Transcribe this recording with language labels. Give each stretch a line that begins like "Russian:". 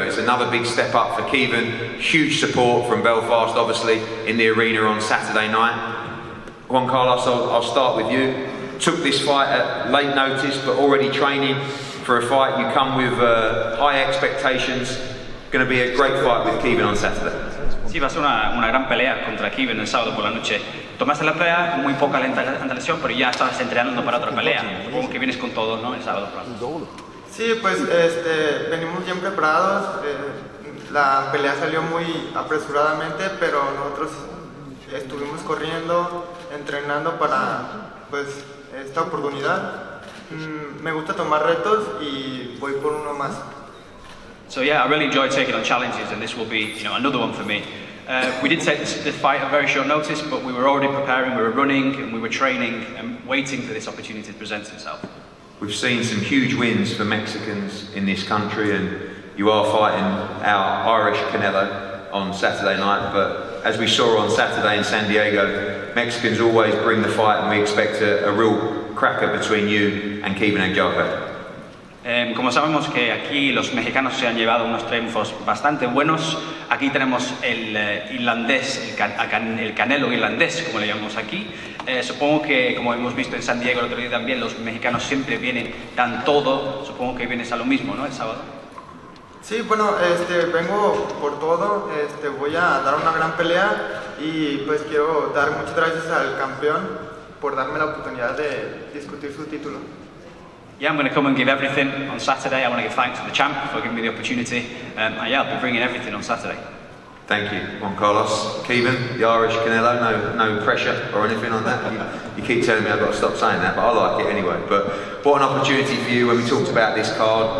English: It's another big step up for Caoimhin. Huge support from Belfast, obviously, in the arena on Saturday night. Juan Carlos, I'll start with you. Took this fight at late notice, but already training for a fight. You come with high expectations. Going to be a great fight with Caoimhin on Saturday.
Spanish: Sí, va a ser una gran pelea contra Caoimhin el sábado por la noche. Tomaste la pelea con muy poca antelación, pero ya estabas entrenando para otra pelea. Como que vienes con todo, ¿no? El sábado por la noche. Sí, pues venimos bien preparados. La pelea salió muy apresuradamente, pero nosotros estuvimos corriendo, entrenando para pues esta oportunidad. Me gusta tomar retos y voy por uno más.
English: So yeah, I really enjoy taking on challenges, and this will be, you know, another one for me. We did take this fight at very short notice, but we were already preparing, we were running, and we were training and waiting for this opportunity to present itself. We've seen some huge wins for Mexicans in this country, and you are fighting our Irish Canelo on Saturday night, but as we saw on Saturday in San Diego, Mexicans always bring the fight, and we expect a real cracker between you and Caoimhin Agyarko.
Spanish: Como sabemos que aquí los mexicanos se han llevado unos triunfos bastante buenos, aquí tenemos el irlandés, el Canelo irlandés, como le llamamos aquí. Supongo que, como hemos visto en San Diego el otro día también, los mexicanos siempre vienen, dan todo. Supongo que vienes a lo mismo, ¿no? El sábado. Sí, bueno, vengo por todo. Voy a dar una gran pelea y pues quiero dar muchas gracias al campeón por darme la oportunidad de discutir su título.
English: Yeah, I'm going to come and give everything on Saturday. I want to give thanks to the champ for giving me the opportunity. Yeah, I'll be bringing everything on Saturday. Thank you, Juan Carlos. Caoimhin, the Irish Canelo, no pressure or anything on that. You keep telling me I've got to stop saying that, but I like it anyway. But what an opportunity for you when we talked about this card.